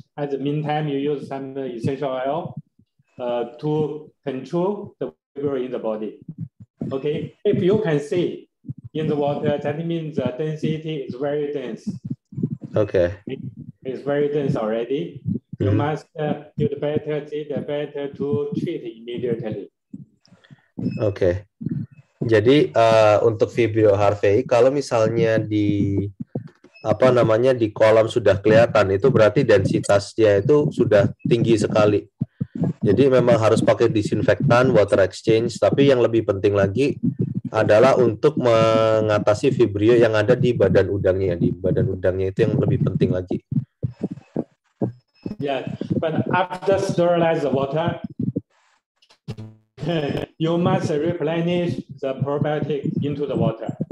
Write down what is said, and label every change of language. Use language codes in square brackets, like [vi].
[en] At the meantime, you use some essential oil to control the vibrio in the body. Okay, if you can see in the water, that means the density is very dense. Okay. It's very dense already. Mm-hmm. You must feel better, see the better to treat immediately. Okay. [id] Jadi untuk vibrio harvei, kalau misalnya di apa namanya di kolam sudah kelihatan, itu berarti densitasnya itu sudah tinggi sekali. Jadi memang harus pakai disinfektan, water exchange. Tapi yang lebih penting lagi adalah untuk mengatasi vibrio yang ada di badan udangnya. Di badan udangnya itu yang lebih penting lagi. [en] Yeah, but after sterilize the water, you must replenish the probiotic into the water.